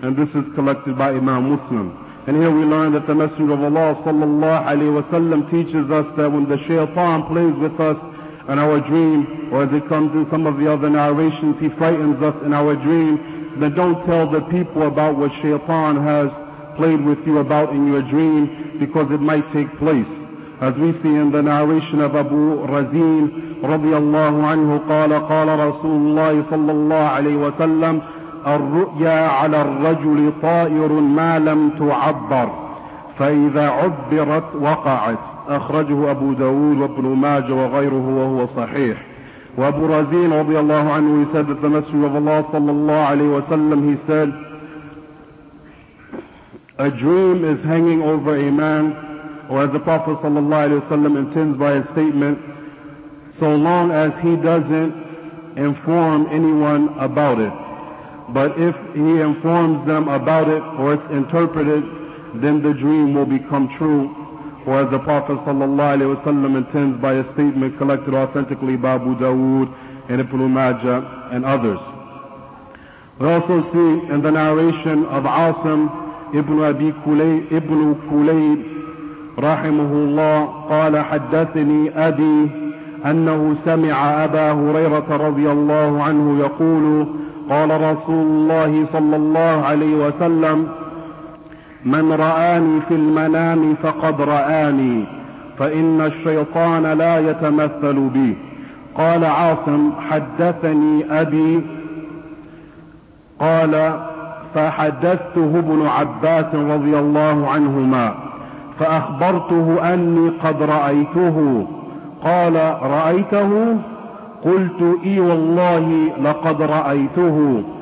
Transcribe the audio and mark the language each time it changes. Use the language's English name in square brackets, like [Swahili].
[English] And this is collected by Imam Muslim. And here we learn that the Messenger of Allah sallallahu alayhi wa sallam teaches us that when the shaytan plays with us in our dream, or as it comes in some of the other narrations, he frightens us in our dream, then don't tell the people about what shaytan has played with you about in your dream, because it might take place. As we see in the narration of [Arabic] Abu Razin radiallahu anhu, qala Rasulullah sallallahu alayhi wa sallam, الرؤيا على الرجل طائر ما لم تعبر فإذا عبرت وقعت أخرجه أبو داود وابن ماجه وغيره وهو صحيح. وأبو رزين رضي الله عنه [English] he said that the Messenger of Allah [Arabic] صلى الله عليه وسلم [English] he said, a dream is hanging over a man, or as the Prophet صلى الله عليه وسلم intends by his statement, so long as he doesn't inform anyone about it. But if he informs them about it, or it's interpreted, then the dream will become true. Or as the Prophet sallallahu alayhi wa sallam intends by a statement collected authentically by Abu Dawood and Ibn Majah and others. We also see in the narration of [Arabic] Asim ibn Abi Kulayb, ibn Kulayb rahimahullah, qala haddathani abi annahu sami'a Aba Hurairah radiyallahu anhu yaqulu قال رسول الله صلى الله عليه وسلم من رآني في المنام فقد رآني فإن الشيطان لا يتمثل بي. قال عاصم حدثني أبي قال فحدثته ابن عباس رضي الله عنهما فأخبرته أني قد رأيته قال رأيته؟ قلت إي والله لقد رأيته.